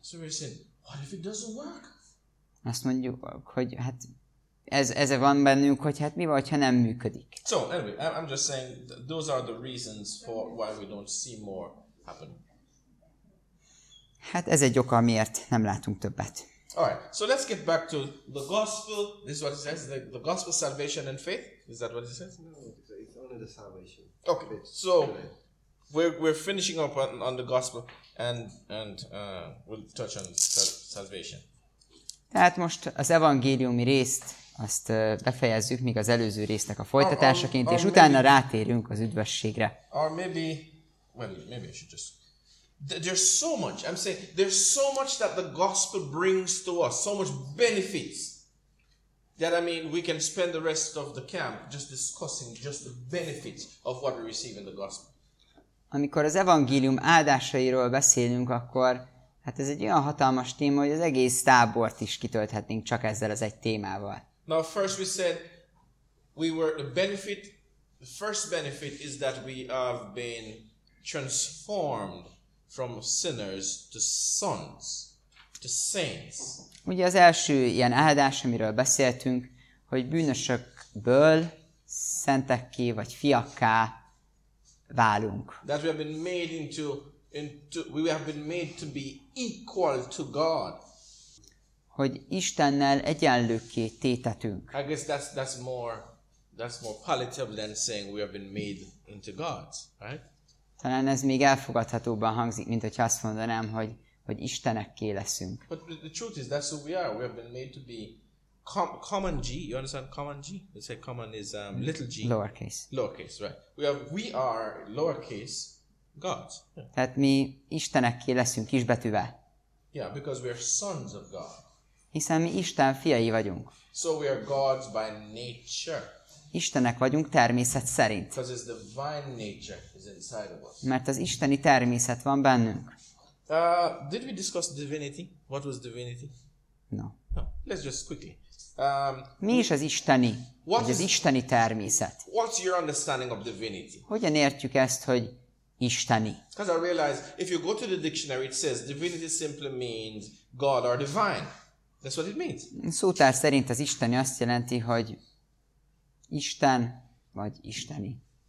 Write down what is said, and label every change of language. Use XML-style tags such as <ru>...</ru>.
<en>So we say, what if it doesn't work?</en> <hu>Azt mondjuk, hogy hát ez van bennünk, hogy hát mi van, ha nem működik.</hu> <en>So anyway, I'm just saying those are the reasons for why we don't see more happen.</en> <hu>Hát ez egy oka, miért nem látunk többet.</hu> <en>All right. So let's get back to the gospel. This is what it says, the gospel, salvation and faith. Is that what it says? No, it's only the salvation. Okay. So we're finishing up on the gospel and we'll touch on salvation.</en> <hu>Tehát most az evangéliumi részt azt befejezzük, míg az előző résznek a folytatásaként, és utána</hu> <en>maybe,</en> <hu>rátérünk az üdvösségre.</hu> <en>Or maybe I should just. There's so much. I'm saying there's so much that the gospel brings to us, so much benefits. That I mean, we can spend the rest of the camp just discussing just the benefits of what we receive in the gospel.</en> <hu>Amikor az evangélium áldásairól beszélünk, akkor hát ez egy olyan hatalmas téma, hogy az egész tábort is kitölthetnénk csak ezzel az egy témával.</hu> <en>Now first we said we were the benefit. The first benefit is that we have been transformed from sinners to sons, to saints.</en> <hu>Ugye az első ilyen áldás, amiről beszéltünk, hogy bűnösökből szentekké vagy fiakká válunk.</hu> <en>That we have been made we have been made to be equal to God.</en> <hu>Hogy Istennel egyenlőkké tétetünk.</hu> <en>I guess that's more palatable than saying we have been made into gods, right?</en> <hu>Talán ez még elfogadhatóbban hangzik, mint hogyha azt mondanám, hogy istenekké leszünk.</hu> <en>But the truth is that's who we are. We have been made to be common G. You understand common G? They say common is little G. Lowercase. Lowercase, right? We are lowercase God.</en> <hu>Tehát mi istenekké leszünk kisbetűvel.</hu> <en>Yeah, because we are sons of God.</en> <hu>Hiszen mi Isten fiai vagyunk.</hu> <en>So we are gods by nature.</en> <hu>Istenek vagyunk természet szerint.</hu> <en>Because his divine nature is inside of us.</en> <hu>Mert az isteni természet van bennünk.</hu> <en>Did we discuss divinity? What was divinity? No. Let's just quickly.</en> <hu>Mi is az isteni? Vagy az isteni természet?</hu> <en>What's your understanding of divinity?</en> <hu>Hogyan értjük ezt, hogy isteni?</hu> <en>Because I realize if you go to the dictionary, it says divinity simply means God or divine. That's what it means.</en> <hu>Szótár szerint az isteni azt jelenti, hogy Isten vagy isteni.</hu>